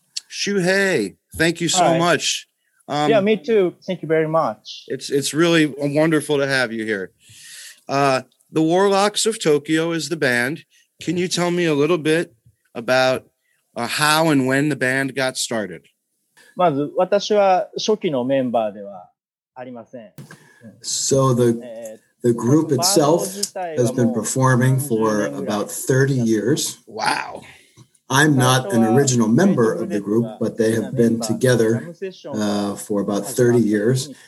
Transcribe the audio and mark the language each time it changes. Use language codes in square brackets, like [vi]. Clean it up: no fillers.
[en] Shuhei, thank you so much. Yeah, me too. Thank you very much. It's really wonderful to have you here. The Warlocks of Tokyo is the band. Can you tell me a little bit about how and when the band got started? [ja] まず私は初期のメンバーではありません。 [en] So the group itself has been performing for about 30 years. Wow. I'm not an original member of the group, but they have been together for about 30 years.